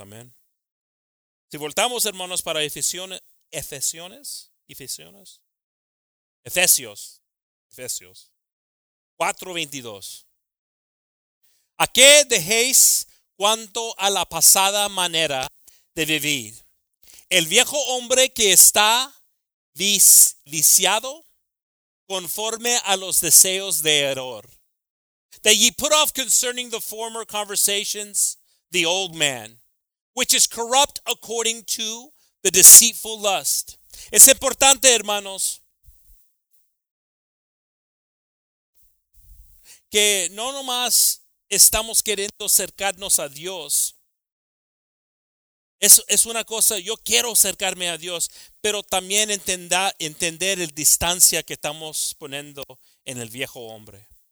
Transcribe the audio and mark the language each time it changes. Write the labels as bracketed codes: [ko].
[es] Amén. Si voltamos, hermanos, para Efesios 4:22. ¿A qué dejéis cuanto a la pasada manera de vivir? El viejo hombre que está viciado conforme a los deseos de error. [en] That ye put off concerning the former conversations the old man, which is corrupt according to the deceitful lust. [es] Es importante, hermanos, que no nomás estamos queriendo acercarnos a Dios Es una cosa, yo quiero acercarme a Dios, pero también entender la distancia que estamos poniendo en el viejo hombre.